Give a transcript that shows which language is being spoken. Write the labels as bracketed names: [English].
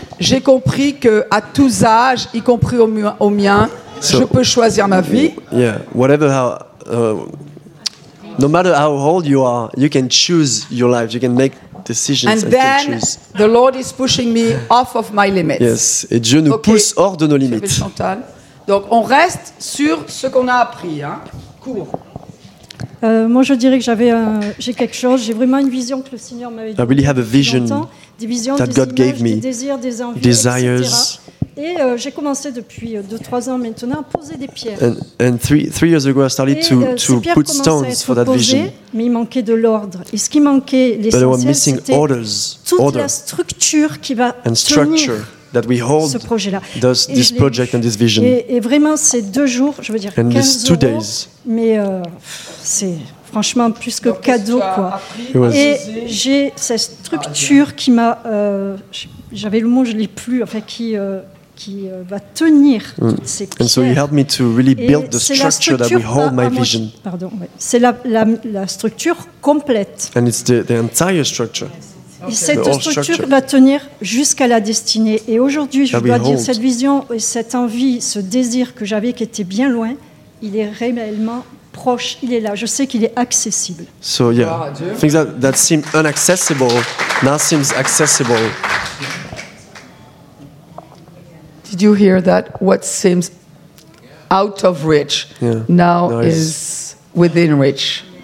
[French] J'ai compris que à tous âges, y compris au mien, so, je peux choisir ma vie. [English] Yeah. Whatever. No matter how old you are, you can choose your life. You can make decisions. And then the Lord is pushing me off of my limits. Yes. [French] Et Dieu nous pousse hors de nos limites. Chantal. Donc, on reste sur ce qu'on a appris. Hein. Cours. Moi, je dirais que j'ai quelque chose. J'ai vraiment une vision que le Seigneur m'avait donné. [English] I really have a vision [French] des visions, [English] that [French] des [English] God [French] images, [English] gave me. [French] Des désirs, des envies, desires, etc. Et j'ai commencé depuis 2-3 ans maintenant à poser des pierres. [English] And three years ago I started to put stones for that vision. [French] Mais il manquait de l'ordre. Et ce qui manquait, l'essentiel, c'était toute la structure qui va tenir [English] that we hold [French] ce projet-là. [English] This project and this vision. [French] Et vraiment, ces deux jours, je veux dire, 15 euros, [English] days. [French] Mais c'est franchement plus que donc, cadeau, quoi. Et j'ai cette structure qui m'a... j'avais le mot, je ne l'ai plus, enfin, qui va tenir toutes ces pierres. [English] And so you helped me to really build the structure that we hold my vision. [French] Pardon, ouais. C'est la structure complète. [English] And it's the entire structure. Okay. [French] Et cette structure va tenir jusqu'à la destinée. Et aujourd'hui, je dois dire, cette vision et cette envie, ce désir que j'avais qui était bien loin, il est réellement proche, il est là. Je sais qu'il est accessible. [English] So yeah, things that seem inaccessible now seems accessible. Did you hear that? What seems out of reach now is within reach.